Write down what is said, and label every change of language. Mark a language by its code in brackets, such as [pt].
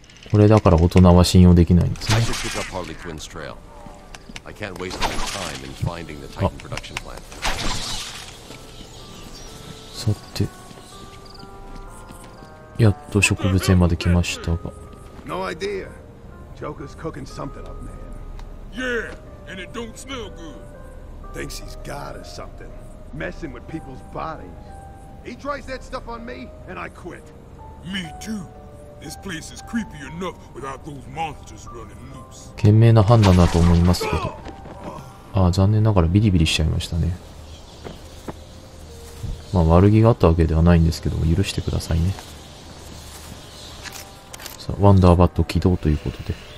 [ja] これだから大人は信用できないんですね。あ、なんか、さて、やっと植物園まで来ましたが。 [en] No idea. Joker's cooking something up, man. Yeah, and it don't smell good. Thinks he's God or something. Messing with people's bodies. He tries that stuff on me, and I quit. Me too. This place is creepy enough without those monsters running loose. [ja] 賢明な判断だと思いますけど。ああ、残念ながらビリビリしちゃいましたね。まあ悪気があったわけではないんですけども、許してくださいね。さあ、ワンダーバット起動ということで。